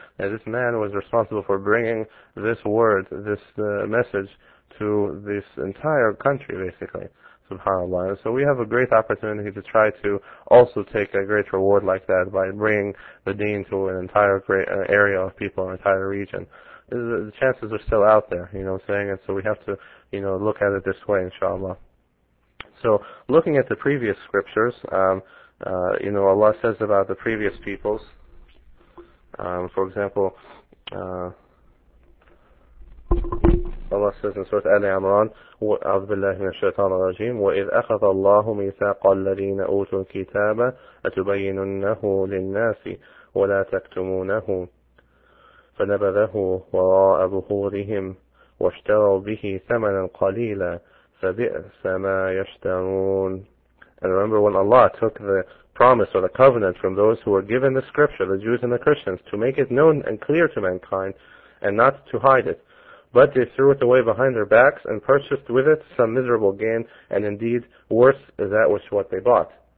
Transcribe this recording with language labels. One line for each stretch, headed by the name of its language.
English: And this man was responsible for bringing this word, this message, to this entire country, basically, subhanAllah. And so we have a great opportunity to try to also take a great reward like that by bringing the deen to an entire great area of people, an entire region. The chances are still out there, you know what I'm saying? And so we have to, you know, look at it this way, inshallah. So looking at the previous scriptures, Allah says about the previous peoples, for example, Allah says in Surah Ali Imran,
Arabic: أعوذ بالله من الشيطان الرجيم وإذ أخذ الله ميثاق الذين أوتوا الكتاب أتبيننه للناس ولا تكتمونه فنبذه وراء ظهورهم واشتروا به ثمنا قليلا فبئس ما يشترون.
English: And remember when Allah took the promise or the covenant from those who were given the scripture, the Jews and the Christians, to make it known and clear to mankind and not to hide it. But they threw it away behind their backs and purchased with it some miserable gain, and indeed worse is that which what they bought.